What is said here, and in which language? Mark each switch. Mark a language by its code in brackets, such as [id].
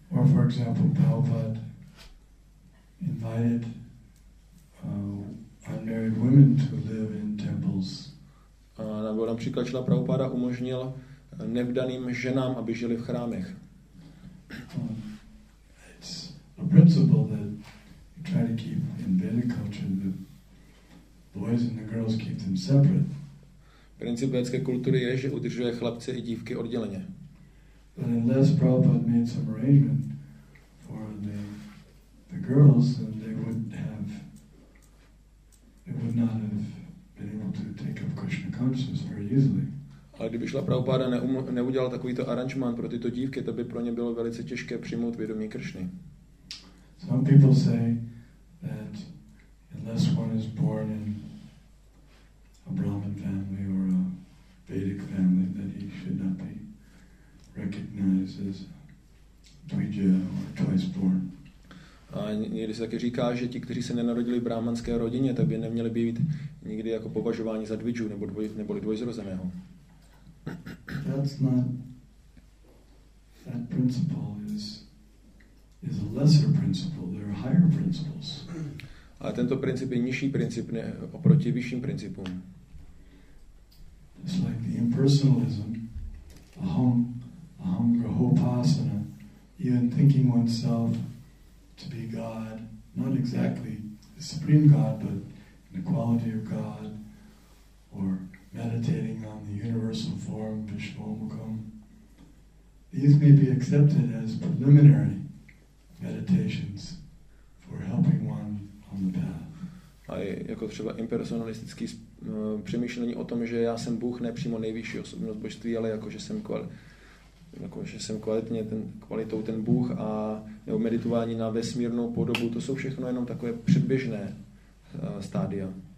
[en] Or for example, Prabhupada invited unmarried women to live in temples. [cs] A nebo například Šrila Prabhupáda umožnil nevdaným ženám, aby žili v chrámech. [en] It's a principle that you try to keep in Vedic culture, that boys and the girls keep them separate. [cs] Princip vedské kultury je, že udržuje chlapce i dívky odděleně. [en] But unless Prabhupada made some arrangement for the girls, then they would not have been able to take up Krishna consciousness very easily. [cs] Ale kdyby šla Prabhupada neudělal takovýto aranžmán pro tyto dívky, to by pro ně bylo velice těžké přijmout vědomí Kršny. [en] Some people say that unless one is born in a Brahmin family or a Vedic family, that he should not be recognized as dvija or twice born. [cs] A někdy se taky říká, že ti, kteří se nenarodili v brahmanské rodině, tak by neměli být nikdy jako považováni za dviju nebo neboli dvojzrozeného. [en] That principle is a lesser principle. There are higher principles. [cs] A tento princip je nižší princip oproti vyšším principům. [en] It's like the impersonalism, ahamgrahopasana, even thinking oneself to be God, not exactly the supreme God, but in the quality of God, or meditating on the universal form, Vishvamukham. These may be accepted as preliminary meditations for helping one on the path. [cs] A jako třeba impersonalistický přemýšlení o tom, že já jsem Bůh, ne přímo nejvyšší osobnost božství, ale jako že jsem kvalitou ten Bůh a nebo meditování na vesmírnou podobu, to jsou všechno jenom takové předběžné stádia.